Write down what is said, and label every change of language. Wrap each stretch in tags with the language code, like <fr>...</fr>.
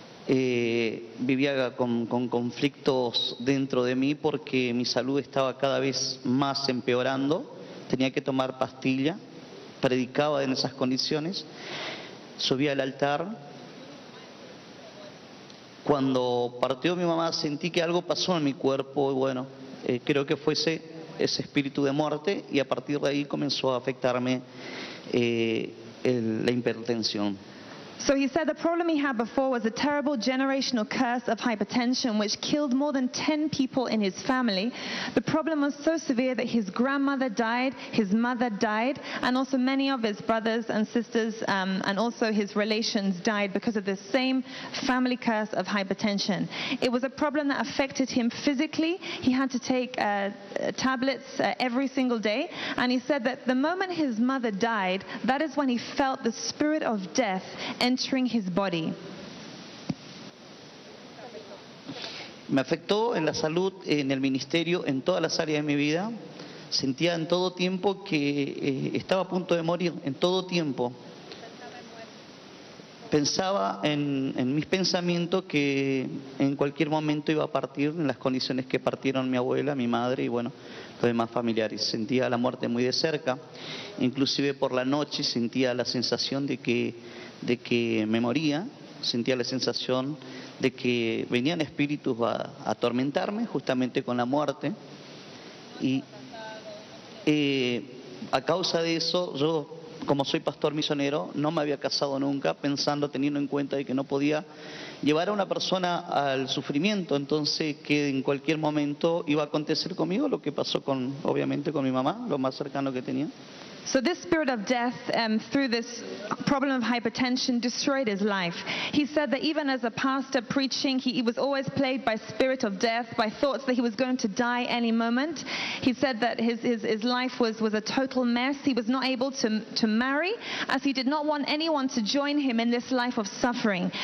<es>Vivía con conflictos dentro de mí porque mi salud estaba cada vez más empeorando, tenía que tomar pastilla, predicaba en esas condiciones, subía al altar. Cuando partió mi mamá sentí que algo pasó en mi cuerpo, y bueno, creo que fue ese espíritu de muerte, y a partir de ahí comenzó a afectarme la hipertensión.</es> <en>So he said the problem he had before was a terrible generational curse of hypertension which killed more than 10 people in his family. The problem was so severe that his grandmother died, his mother died, and also many of his brothers and sisters and also his relations died because of this same family curse of hypertension. It was a problem that affected him physically. He had to take tablets every single day, and he said that the moment his mother died, that is when he felt the spirit of death entering his body.</en> <es>Me afectó en la salud, en el ministerio, en todas las áreas de mi vida. Sentía en todo tiempo que estaba a punto de morir, en todo tiempo. Pensaba en mis pensamientos que en cualquier momento iba a partir, en las condiciones que partieron mi abuela, mi madre y bueno, los demás familiares. Sentía la muerte muy de cerca, inclusive por la noche sentía la sensación de que me moría, sentía la sensación de que venían espíritus a atormentarme justamente con la muerte. Y a causa de eso, yo, como soy pastor misionero, no me había casado nunca, pensando, teniendo en cuenta de que no podía llevar a una persona al sufrimiento, entonces que en cualquier momento iba a acontecer conmigo lo que pasó con, obviamente, con mi mamá, lo más cercano que tenía.</es> <en>So this spirit of death, through this problem of hypertension, destroyed his life. He said that even as a pastor preaching, he was always plagued by spirit of death, by thoughts that he was going to die any moment. He said that his life was a total mess. He was not able to marry, as he did not want anyone to join him in this life of suffering.</en>